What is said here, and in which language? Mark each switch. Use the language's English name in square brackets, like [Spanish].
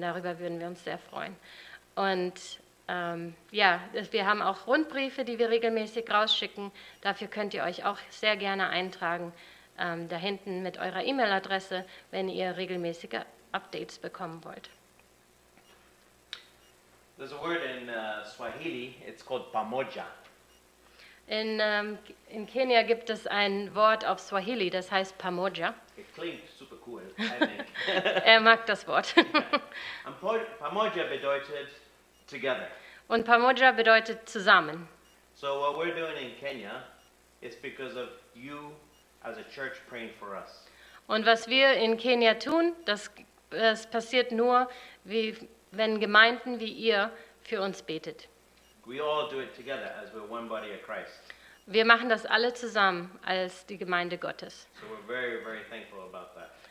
[German] Darüber würden wir uns sehr freuen. Und wir haben auch Rundbriefe, die wir regelmäßig rausschicken. Dafür könnt ihr euch auch sehr gerne eintragen, da hinten mit eurer E-Mail-Adresse, wenn ihr regelmäßige Updates bekommen wollt. [English] There's a word in Swahili, it's called pamoja. [German] In Kenia gibt es ein Wort auf Swahili, das heißt pamoja. [English] It klingt super cool, I think. [German] Er mag das Wort. [English] Yeah. And pamoja bedeutet together. [German] Und pamoja bedeutet zusammen. [English] So what we're doing in Kenya is because of you as a church praying for us. [German] Und was wir in Kenia tun, das passiert nur, wenn Gemeinden wie ihr für uns betet. [English] We all do it together as we're one body of Christ. [German] Wir machen das alle zusammen als die Gemeinde Gottes. [English] So we're very, very thankful about that.